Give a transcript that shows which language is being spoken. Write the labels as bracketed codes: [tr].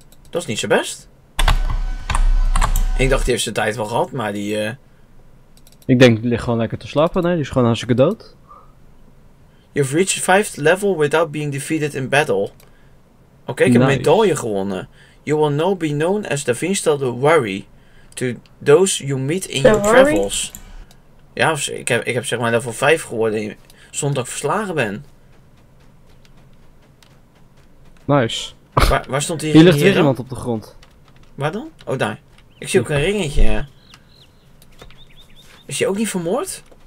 [nl] Dat is niet zo best. Ik dacht die heeft zijn tijd wel gehad, maar die... Ik denk die ligt gewoon lekker te slapen, nee. Die is gewoon hartstikke dood. [en] You've reached 5th level without being defeated in battle. [nl] Oké, okay, ik heb een medaille gewonnen. [en] You will now be known as the Vinstal the Worry to those you meet in your travels. [nl] Ja, ik heb zeg maar level 5 geworden zonder dat ik verslagen ben. [en] Nice. [nl] Waar stond die hier? Hier ligt weer iemand op de grond. Waar dan? Oh, daar. Ik zie ook een ringetje. Is die ook niet vermoord?